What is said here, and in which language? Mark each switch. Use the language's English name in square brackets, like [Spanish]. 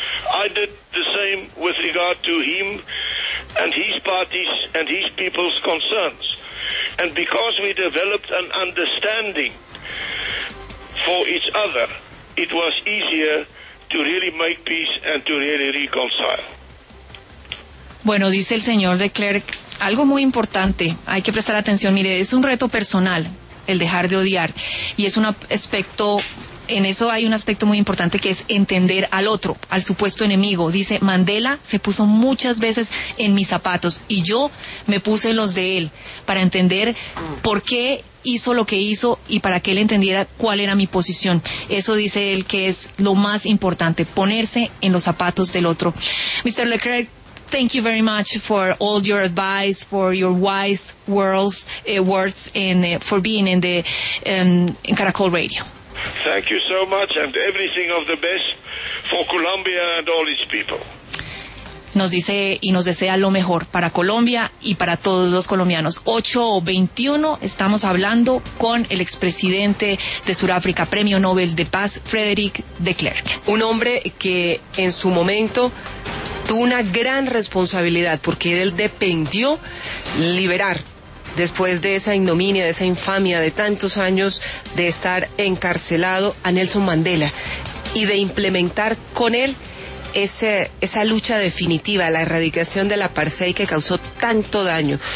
[English] I did the same with regard to him and his party's and his people's concerns. And because we developed an understanding for each other, it was easier to really make peace and to really reconcile. [Spanish] Bueno, dice el señor de Klerk, algo muy importante, hay que prestar atención, mire, es un reto personal el dejar de odiar, y es un aspecto. En eso hay un aspecto muy importante, que es entender al otro, al supuesto enemigo. Dice, Mandela se puso muchas veces en mis zapatos y yo me puse en los de él para entender por qué hizo lo que hizo y para que él entendiera cuál era mi posición. Eso dice él que es lo más importante, ponerse en los zapatos del otro. [English] Mr. Leclerc, thank you very much for all your advice, for your wise words and for being in the in Caracol Radio. Thank you so much, and everything of the best for Colombia and all its people. [Spanish] Nos dice y nos desea lo mejor para Colombia y para todos los colombianos. 8:21, estamos hablando con el expresidente de Sudáfrica, Premio Nobel de Paz, Frederick de Klerk. Un hombre que en su momento tuvo una gran responsabilidad, porque él dependió liberar, después de esa ignominia, de esa infamia, de tantos años de estar encarcelado, a Nelson Mandela, y de implementar con él esa lucha definitiva, la erradicación del apartheid que causó tanto daño.